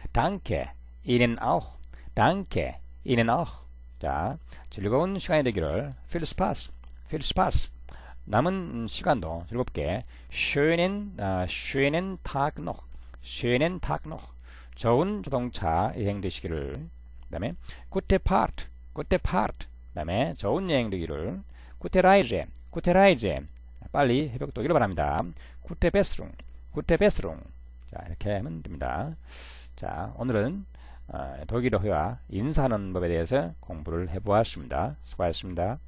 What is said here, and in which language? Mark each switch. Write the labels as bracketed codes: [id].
[de] Danke. Ihnen auch. Danke. Ihnen auch. [ko] 자, 즐거운 시간이 되기를. [de] Viel Spaß. Viel Spaß. [ko] 남은 시간도 즐겁게. [de] Schönen Tag noch. Schönen Tag noch. [ko] 좋은 자동차 여행 되시기를. 그 다음에 [de] Gute Fahrt. Gute Fahrt. [ko] 그 다음에 좋은 여행 되기를. [de] Gute Reise. Gute Reise. [ko] 빨리 회복되기를 바랍니다. [de] Gute Besserung. Gute Besserung. [ko] 자, 이렇게 하면 됩니다. 자, 오늘은 독일어회화 인사하는 법에 대해서 공부를 해보았습니다. 수고하셨습니다.